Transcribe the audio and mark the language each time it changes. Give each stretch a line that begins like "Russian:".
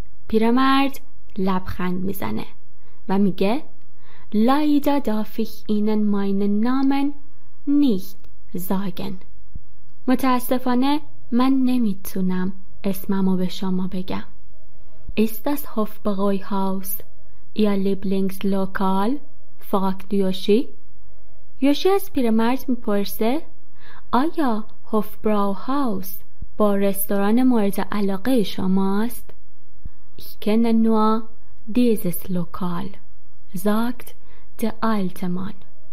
Persian: پیرمرد لبخند میزنه و میگه
German: Leider darf ich Ihnen meinen Namen nicht sagen.
Persian: متاسفانه من نمیتونم اسممو به شما بگم.
German: Ist das Hofbräuhaus Ihr Lieblingslokal? Fragt Yoshi.
Persian: یوشی از پیرمرد میپرسه آیا Hofbräuhaus با رستوران مورد علاقه شماست؟
German: Ich kenne nur dieses Lokal, sagt der alte Mann.